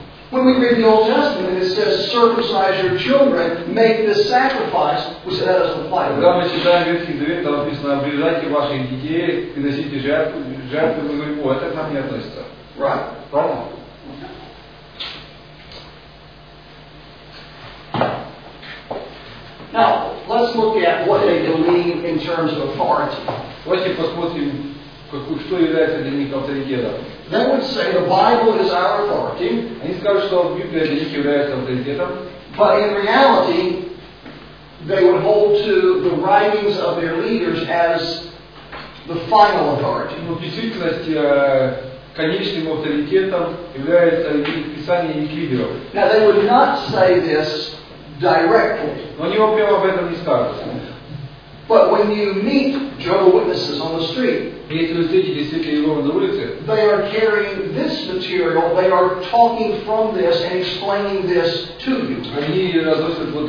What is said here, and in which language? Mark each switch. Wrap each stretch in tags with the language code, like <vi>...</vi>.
<en>When we read the Old Testament, it says, circumcise your children, make this sacrifice, which that doesn't apply to me.</en> <ru>Когда мы читаем Ветхий Завет, там написано, обрежайте ваших детей, приносите жертву, мы говорим, о, это к нам не относится.</ru> <en>Right.</en> <ru>Правильно?</ru> <en>Now, let's look at what they believe in terms of authority.</en> <ru>Давайте посмотрим, что является для них авторитетом.</ru> <en>They would say the Bible is our authority.</en> <ru>Они скажут, что Библия для них является авторитетом.</ru> <en>But in reality, they would hold to the writings of their leaders as the final authority.</en> <ru>Но в действительности конечным авторитетом является Писание их лидеров.</ru> <en>Now they would not say this directly.</en> <ru>Но они прямо об этом не скажут.</ru> <en>But when you meet Jehovah's Witnesses on the street, they are carrying this material, they are talking from this and explaining this to you.</en>